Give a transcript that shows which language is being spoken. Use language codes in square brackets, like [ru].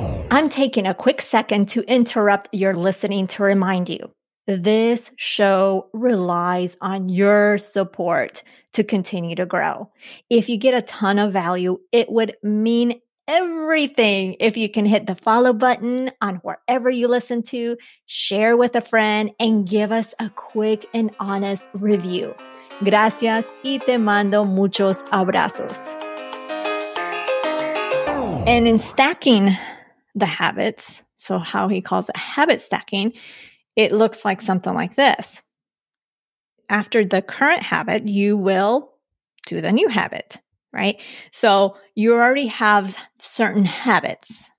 [en] I'm taking a quick second to interrupt your listening to remind you, this show relies on your support to continue to grow. If you get a ton of value, it would mean everything if you can hit the follow button on wherever you listen to, share with a friend, and give us a quick and honest review. [es] Gracias y te mando muchos abrazos. [en] And in stacking the habits, so how he calls it habit stacking, it looks like something like this. After the current habit, you will do the new habit, right? So you already have certain habits.